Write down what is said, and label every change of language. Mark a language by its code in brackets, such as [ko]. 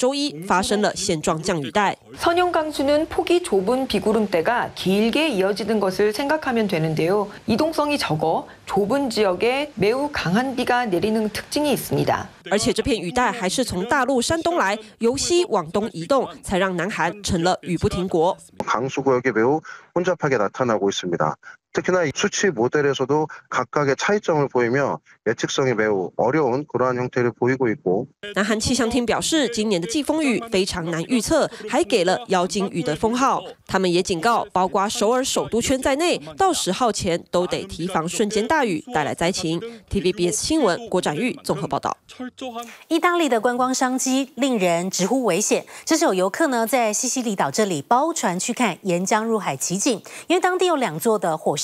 [zh] 除了中清北道、庆尚北道也出现大雨，而且一度传出有25人受困，还好有人自行逃生，有人获救，全员平安。这两个地方会出现强降雨，主要是因为南韩中部在周一发生了现状降雨带。 [ko] 선형강수는 폭이 좁은 비구름대가 길게 이어지는 것을 생각하면 되는데요. 이동성이 적어 좁은 지역에 매우 강한 비가 내리는 특징이 있습니다. [zh] 而且这片雨带还是从大陆山东来，由西往东移动，才让南韩成了雨不停国。 [ko] 강수구역이 매우 혼잡하게 나타나고 있습니다. 특히나 수치 모델에서도 각각의 차이점을 보이며 예측성이 매우 어려운 그러한 형태를 보이고 있고. [zh] 南韩气象厅表示，今年的季风雨非常难预测，还给了"妖精雨"的封号。他们也警告，包括首尔首都圈在内，到10号前都得提防瞬间大雨带来灾情。TVBS 新闻郭展玉综合报道。意大利的观光商机令人直呼危险。这是有游客呢在西西里岛这里包船去看沿江入海奇景，因为当地有两座的